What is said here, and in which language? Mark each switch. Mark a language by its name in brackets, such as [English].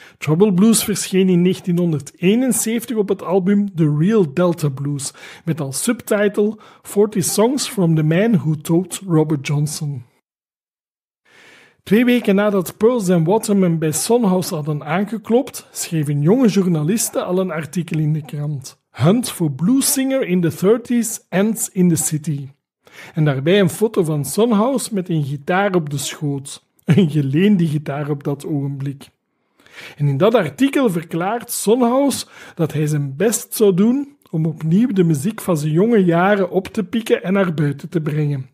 [Dutch] Trouble Blues verscheen in 1971 op het album The Real Delta Blues, met als subtitel 40 Songs from the Man Who Taught Robert Johnson. Twee weken nadat Pearls en Waterman bij Sonhouse hadden aangeklopt, schreef een jonge journaliste al een artikel in de krant. [English] Hunt for Blues Singer in the 30s Ends in the City. [Dutch] En daarbij een foto van Sonhouse met een gitaar op de schoot. Een geleende gitaar op dat ogenblik. En in dat artikel verklaart Sonhouse dat hij zijn best zou doen om opnieuw de muziek van zijn jonge jaren op te pikken en naar buiten te brengen.